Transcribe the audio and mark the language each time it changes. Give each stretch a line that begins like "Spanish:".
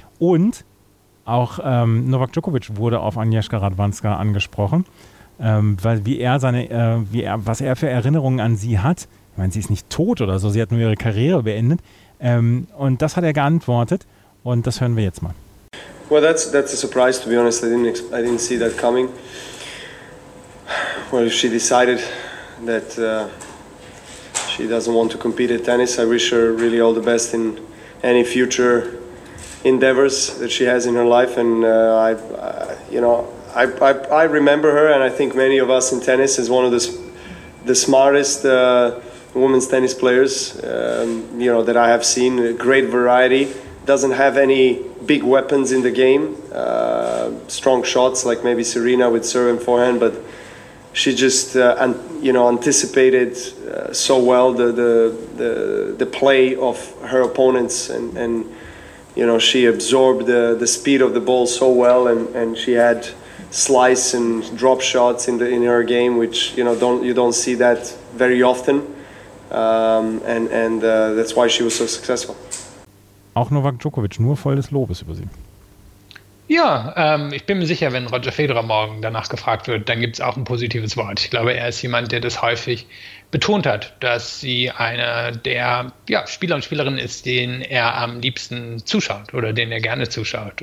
German: Und auch Novak Djokovic wurde auf Agnieszka Radwanska angesprochen, weil was er für Erinnerungen an sie hat. Ich meine, sie ist nicht tot oder so, sie hat nur ihre Karriere beendet. Und das hat er geantwortet und das hören wir jetzt mal.
English: Well, that's a surprise, to be honest. I didn't see that coming. Well, if she decided that she doesn't want to compete at tennis, I wish her really all the best in any future endeavors that she has in her life. And I remember her, and I think many of us in tennis, as one of the smartest women's tennis players that I have seen. A great variety, doesn't have any big weapons in the game, strong shots like maybe Serena with serve and forehand, but she just anticipated so well the play of her opponents, and you know, she absorbed the speed of the ball so well, and she had slice and drop shots in her game, which you don't see that very often, and that's why she was so successful.
German: Auch Novak Djokovic, nur voll des Lobes über sie. Ja, ich bin mir sicher, wenn Roger Federer morgen danach gefragt wird, dann gibt es auch ein positives Wort. Ich glaube, er ist jemand, der das häufig betont hat, dass sie einer der Spieler und Spielerinnen ist, denen er am liebsten zuschaut oder denen er gerne zuschaut.